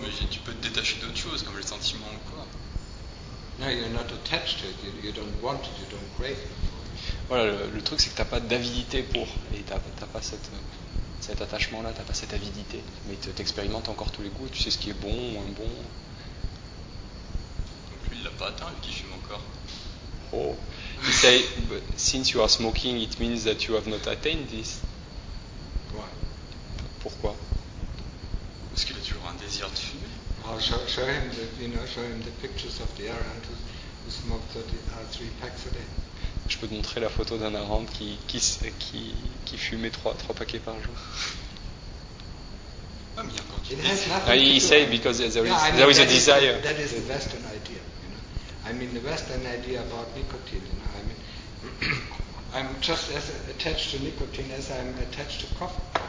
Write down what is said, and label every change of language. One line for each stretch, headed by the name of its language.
French: Tu peux te détacher d'autres choses, comme les sentiments ou quoi.
English: No, you're not attached to it, you don't want it, you don't crave it.
French: Voilà, le truc c'est que t'as pas d'avidité pour, et t'as pas cet attachement là, t'as pas cette avidité, mais t'expérimentes encore tous les goûts, tu sais ce qui est bon, moins bon. Donc lui il l'a pas atteint, qui fume encore.
English: Oh, he say, but since you are smoking, it means that you have not attained this.
French: Ouais. Pourquoi? Parce qu'il a toujours un désir de fumer.
English: Oh, show him the pictures of the Arahant who smoked 33 packs a day.
French: Je peux te montrer la photo d'un arhant qui fumait 3 paquets par jour. Ah, mais il y a encore du désir. Il dit parce qu'il y a un désir.
English: That is the Western idea. You know? I mean the Western idea about nicotine. You know, I mean, I'm just as attached to nicotine as I'm attached to coffee.